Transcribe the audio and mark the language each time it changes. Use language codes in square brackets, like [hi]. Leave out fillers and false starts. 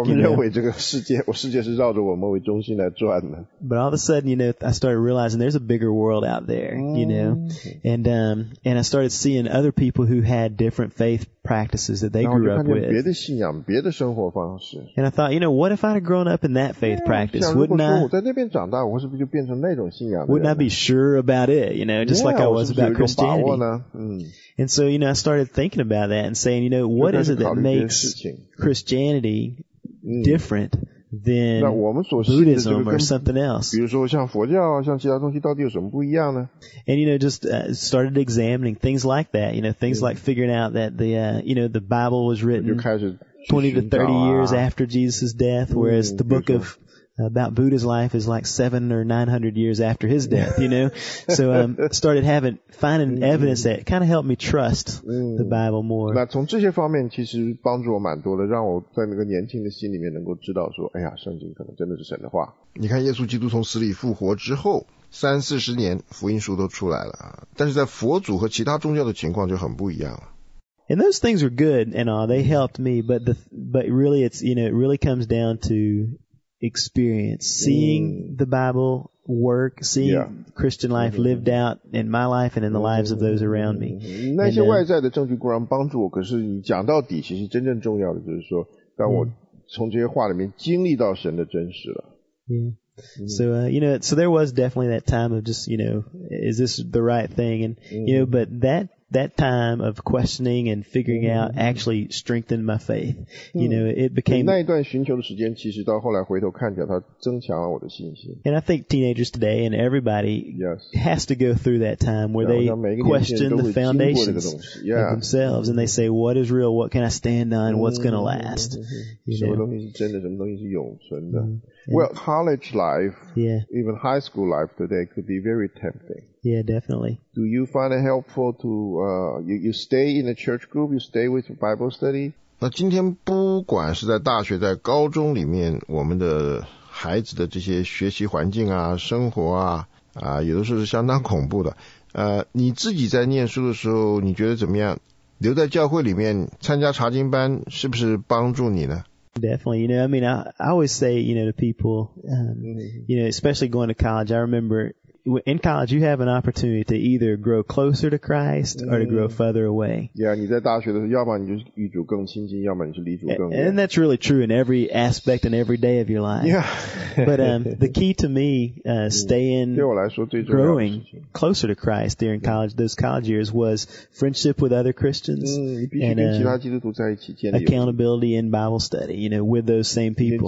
[zh] 我们认为这个世界，我世界是绕着我们为中心来转的。 [en] But all of a sudden, you know, I started realizing there's a bigger world out there. You know. And I started seeing other people who had different faith practices that they grew up with. [zh] 别的信仰，别的生活方式。 [en] And I thought, you know, what if I'd have grown up in that faith practice? Wouldn't I? [zh] 我在那边长大，我是不是就变成那种信仰？ [en] Wouldn't I be sure about it? You know, just like I was about Christianity. [zh] 我是不是种把握呢？ [en] And so, you know, I started thinking about that and saying, you know, what is it that makes Christianity different? Then Buddhism or something else. [zh] 比如说像佛教啊，像其他东西到底有什么不一样呢？ [en] And you know, just started examining things like that. You know, things like figuring out that the you know the Bible was written 20 to 30 years after Jesus' death, whereas the book of about Buddha's life is like 700 or 900 years after his death. You know, so started finding evidence that kind of helped me trust the Bible more. [zh] 那从这些方面其实帮助我蛮多的，让我在那个年轻的心里面能够知道说，哎呀，圣经可能真的是神的话。你看，耶稣基督从死里复活之后，三四十年福音书都出来了，但是在佛祖和其他宗教的情况就很不一样了。 [en] And those things were good and all; they helped me. But really, it's you know, it really comes down to experience, seeing the Bible work, seeing Christian life lived out in my life and in the lives of those around me. [zh] 那些外在的证据固然帮助我，可是你讲到底，其实真正重要的就是说，让我从这些话里面经历到神的真实了。 [en] So, you know, so there was definitely that time of just, you know, is this the right thing? And, you know, but that time of questioning and figuring out actually strengthened my faith. You know, it became... [zh] 那一段寻求的时间其实到后来回头看起来它增强了我的信心。 [en] And I think teenagers today and everybody has to go through that time where they question the foundations of themselves and they say, what is real? What can I stand on? What's going to last? You know? [zh] 什么东西是真的？什么东西是永存的？ [en] Well, college life, even high school life today could be very tempting. Yeah, definitely. Do you find it helpful to, you stay in a church group, you stay with Bible study? [zh] 那今天不管是在大学在高中里面，我们的孩子的这些学习环境啊生活啊有的时候是相当恐怖的。你自己在念书的时候你觉得怎么样，留在教会里面参加查经班是不是帮助你呢？ [en] Definitely. You know, I mean, I always say, you know, to people, you know, especially going to college, I remember in college, you have an opportunity to either grow closer to Christ or to grow further away. [zh] Yeah, 你在大学的时候，要么你就是与主更亲近，要么你是离主更远。 [en] And that's really true in every aspect and every day of your life. Yeah. But the key to me, staying, [zh] 对我来说最重要的 [en] growing closer to Christ during college, those college years was friendship with other Christians and accountability in Bible study, you know, with those same people.